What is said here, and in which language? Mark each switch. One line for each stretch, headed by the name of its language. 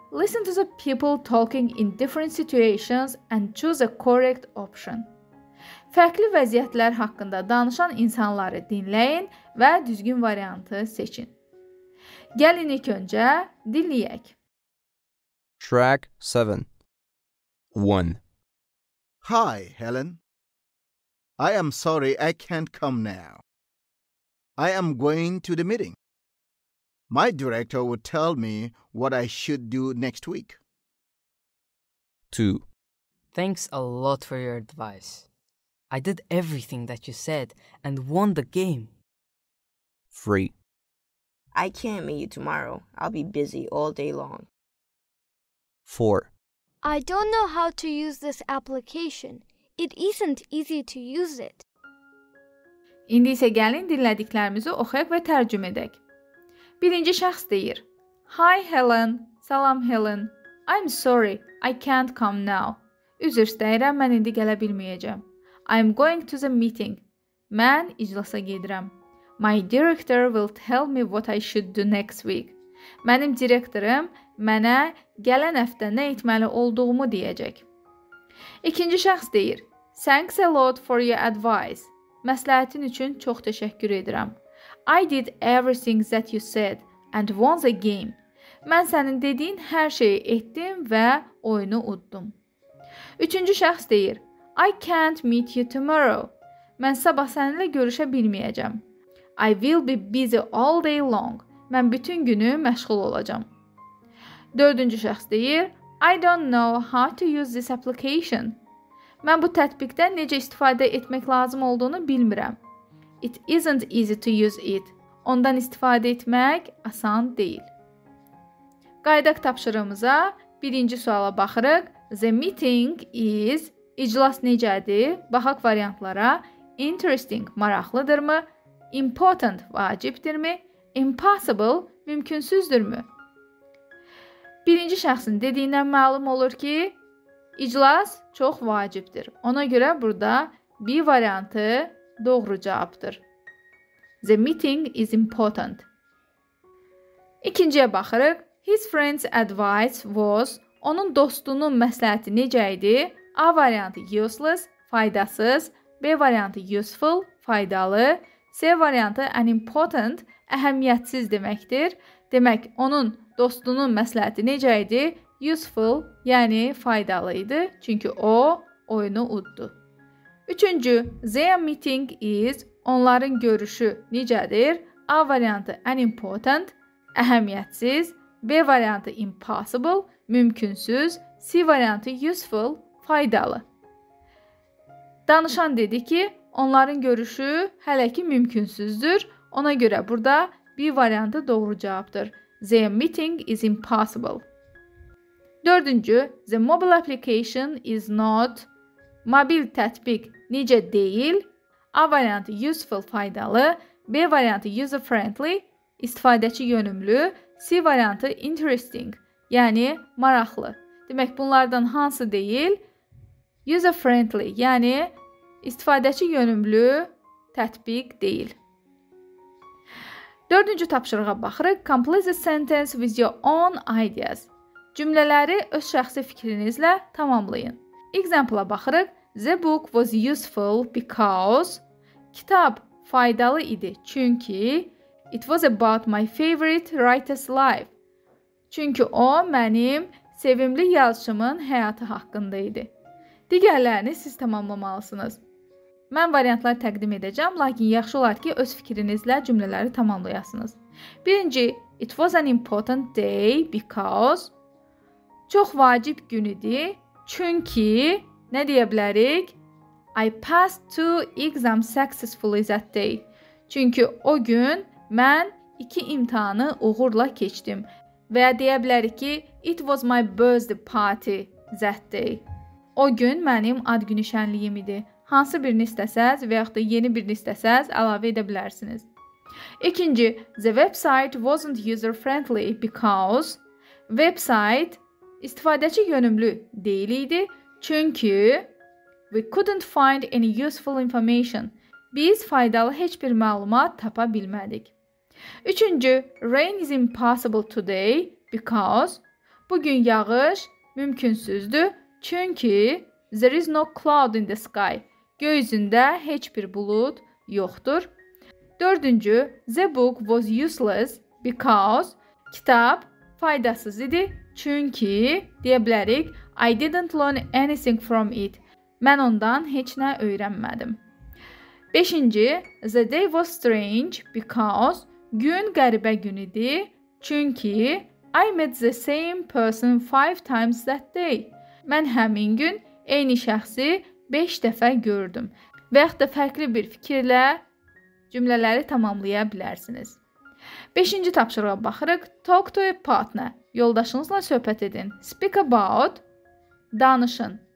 English: Listen to the people talking in different situations and choose a correct option.
Azerbaijani: Fərqli vəziyyətlər haqqında danışan insanları dinləyin və düzgün variantı seçin. Gəlin ilk öncə dinləyək.
English: Track 7. 1. Hi, Helen. I am sorry I can't come now. I am going to the meeting. My director would tell me what I should do next week. 2. Thanks a lot for your advice. I did everything that you said and won the game. 3. I can't meet you tomorrow. I'll be busy all day long. 4. I don't know how to use this application. It isn't easy to use it.
Azerbaijani: İndi isə gəlin dinlədiklərimizi oxuyaq və tərcümə edək. Birinci şəxs deyir.
English: Hi Helen.
Azerbaijani: Salam Helen.
English: I'm sorry. I can't come now.
Azerbaijani: Üzr istəyirəm, mən indi gələ bilməyəcəm.
English: I'm going to the meeting.
Azerbaijani: Mən iclasa gedirəm.
English: My director will tell me what I should do next week.
Azerbaijani: Mənim direktorum mənə gələn həftə nə etməli olduğumu deyəcək. İkinci şəxs deyir.
English: Thanks a lot for your advice.
Azerbaijani: Məsləhətin üçün çox təşəkkür edirəm.
English: I did everything that you said and won the game.
Azerbaijani: Mən sənin dediyin hər şeyi etdim və oyunu uddum. Üçüncü şəxs deyir.
English: I can't meet you tomorrow.
Azerbaijani: Mən sabah səninlə görüşə bilməyəcəm.
English: I will be busy all day long.
Azerbaijani: Mən bütün günü məşğul olacağım. Dördüncü şəxs deyir.
English: I don't know how to use this application.
Azerbaijani: Mən bu tətbiqdən necə istifadə etmək lazım olduğunu bilmirəm.
English: It isn't easy to use it.
Azerbaijani: Ondan istifadə etmək asan deyil. Qaydaq tapşırığımıza birinci suala baxırıq.
English: The meeting is...
Azerbaijani: İclas necədir? Baxaq variantlara. Interesting, maraqlıdır mı? Important, vacibdir mi? Impossible, mümkünsüzdür mü? Birinci şəxsin dediyindən məlum olur ki, iclas çox vacibdir. Ona görə burada B variantı doğru cavabdır.
English: The meeting is important.
Azerbaijani: İkinciyə baxırıq.
English: His friend's advice was,
Azerbaijani: onun dostunun məsləhəti necə idi? A variantı useless, faydasız. B variantı useful, faydalı. C variantı unimportant, əhəmiyyətsiz deməkdir. Demək, onun dostunun məsləhəti necə idi? Useful, yəni faydalı idi. Çünki o, oyunu uddu. Üçüncü,
English: their meeting is,
Azerbaijani: onların görüşü necədir? A variantı unimportant, əhəmiyyətsiz. B variantı impossible, mümkünsüz. C variantı useful, faydalı. Danışan dedi ki, onların görüşü hələ ki mümkünsüzdür. Ona görə burada B variantı doğru cavabdır.
English: The meeting is impossible. Dördüncü, the mobile application is not.
Azerbaijani: Mobil tətbiq necə deyil? A variantı useful, faydalı. B variantı user-friendly, istifadəçi yönümlü. C variantı interesting, yəni maraqlı. Demək, bunlardan hansı deyil? User-friendly, yəni istifadəçi yönümlü tətbiq deyil. Dördüncü tapşırığa baxırıq.
English: Complete the sentence with your own ideas.
Azerbaijani: Cümlələri öz şəxsi fikrinizlə tamamlayın. Example-a baxırıq.
English: The book was useful because...
Azerbaijani: Kitab faydalı idi çünki...
English: It was about my favorite writer's life.
Azerbaijani: Çünki o mənim sevimli yazışımın həyatı haqqında idi. Digərlərini siz tamamlamalısınız. Mən variantlar təqdim edəcəm, lakin yaxşı olar ki, öz fikrinizlə cümlələri tamamlayasınız.
English: Birinci, it was an important day because...
Azerbaijani: Çox vacib gün idi, çünki, nə deyə bilərik?
English: I passed two exams successfully that day.
Azerbaijani: Çünki o gün mən iki imtihanı uğurla keçdim. Və deyə bilərik ki,
English: it was my birthday party that day.
Azerbaijani: O gün mənim ad günü şənliyim idi. Hansı birini istəsəz və yaxud da yeni birini istəsəz əlavə edə bilərsiniz.
English: İkinci, the website wasn't user-friendly because website
Azerbaijani: istifadəçi yönümlü deyil idi.
English: Çünki we couldn't find any useful information.
Azerbaijani: Biz faydalı heç bir məlumat tapa bilmədik.
English: Üçüncü, rain is impossible today because
Azerbaijani: bugün yağış mümkünsüzdür.
English: Çünki there is no cloud in the sky.
Azerbaijani: Göyüzündə heç bir bulud yoxdur.
English: Dördüncü, the book was useless because
Azerbaijani: kitab faydasız idi.
English: Çünki,
Azerbaijani: deyə bilərik,
English: I didn't learn anything from it.
Azerbaijani: Mən ondan heç nə öyrənmədim.
English: Beşinci, the day was strange because
Azerbaijani: gün qəribə gün idi.
English: Çünki, I met the same person 5 times that day.
Azerbaijani: Mən həmin gün eyni şəxsi 5 dəfə gördüm. Və yaxud da fərqli bir fikirlə cümlələri tamamlaya bilərsiniz. Beşinci tapşırığa baxırıq.
English: Talk to a partner.
Azerbaijani: Yoldaşınızla söhbət edin.
English: Speak about.
Azerbaijani: Danışın.